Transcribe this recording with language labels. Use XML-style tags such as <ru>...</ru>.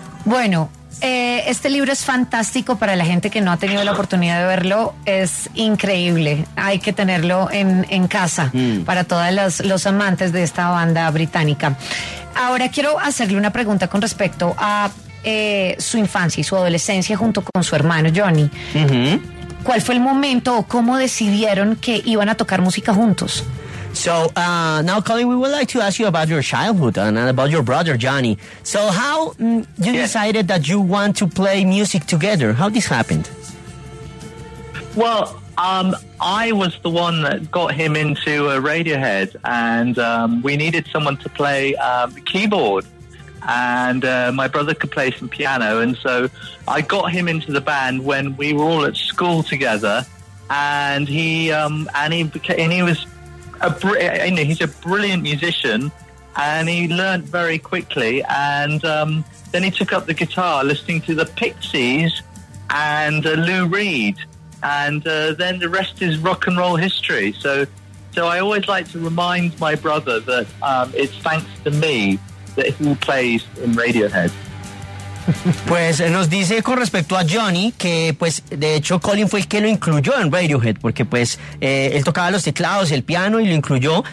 <es>Bueno, este libro es fantástico para la gente que no ha tenido la oportunidad de verlo, es increíble, hay que tenerlo en casa para todos los amantes de esta banda británica. Ahora quiero hacerle una pregunta con respecto a su infancia y su adolescencia junto con su hermano Johnny. Uh-huh. ¿Cuál fue el momento o cómo decidieron que iban a tocar música juntos?</es> <en>So now, Colin, we would like to ask you about your childhood and about your brother Johnny. So how you decided that you want to play music together? How this happened? Well, I was the one that got him into Radiohead, and we needed someone to play keyboard. And my brother could play some piano, and so I got him into the band when we were all at school together. And he's a brilliant musician, and he learned very quickly. And then he took up the guitar, listening to the Pixies and Lou Reed, and then the rest is rock and roll history. So I always like to remind my brother that it's thanks to me that he plays in Radiohead.</en> <es>Pues nos dice con respecto a Johnny que pues de hecho Colin fue el que lo incluyó en Radiohead porque pues él tocaba los teclados, el piano y lo incluyó.</es>